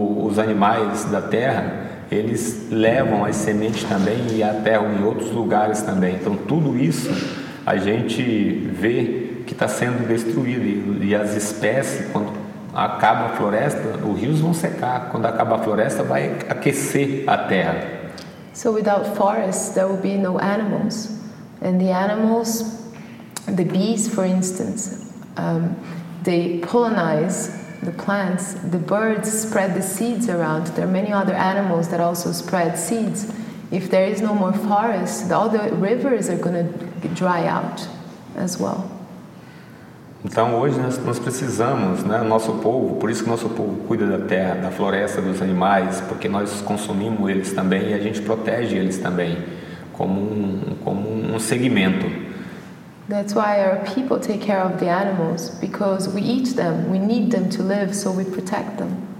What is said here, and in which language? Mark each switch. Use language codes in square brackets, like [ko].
[pt] Os animais da terra, eles levam as sementes também e a terra em outros lugares também. Então tudo isso a gente vê que está sendo destruído e as espécies, quando acaba a floresta, os rios vão secar. Quando acaba a floresta, vai aquecer a terra. [en] So without forests, there will be no animals. And the animals, the bees, for instance, they pollinize the plants. The birds spread the seeds around. There are many other animals that also spread seeds. If there is no more forest, all the rivers are going to dry out as well. [pt] Então hoje nós precisamos, né, nosso povo, por isso que nosso povo cuida da terra, da floresta, dos animais, porque nós consumimos eles também e a gente protege eles também como um segmento. [en] That's why our people take care of the animals, because we eat them, we need them to live, so we protect them.